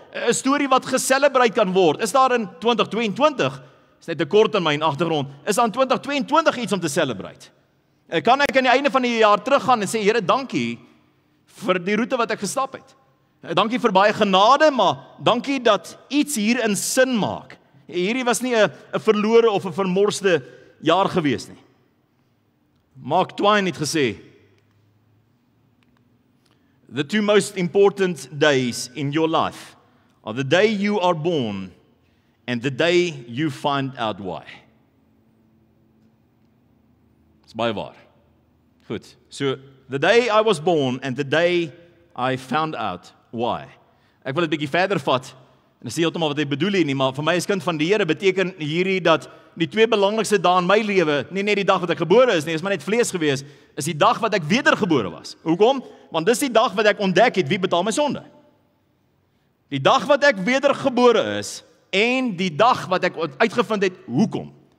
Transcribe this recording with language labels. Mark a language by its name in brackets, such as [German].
[Afrikaans] 'N story wat geselebreit kan word? Is daar in 2022, is net 'n kort in my agtergrond, is daar in 2022 iets om te celebreit? Kan ek aan die einde van die jaar teruggaan en sê, Here, dankie vir die route wat ek gestap het. Dankie vir baie genade, maar dankie dat iets hierin sin maak. Hierdie was nie 'n verlore of 'n vermorste jaar gewees nie. Mark Twain het gesê, [English] The two most important days in your life are the day you are born and the day you find out why. [Afrikaans] Dis baie waar. Goed, [English] so the day I was born and the day I found out why. [Afrikaans] Ek wil dit bietjie verder vat, en ek sê heeltemal wat hy bedoel hier nie, maar vir my as kind van die Here beteken hierdie dat die twee belangrikste dae in my lewe, nie net die dag wat ek gebore is nie, is maar net vlees gewees, is die dag wat ek wedergebore was. Hoekom? Want dis die dag wat ek ontdek het, wie betaal my sonde. Die dag wat ek wedergebore is, en die dag wat ek uitgevind het, hoekom?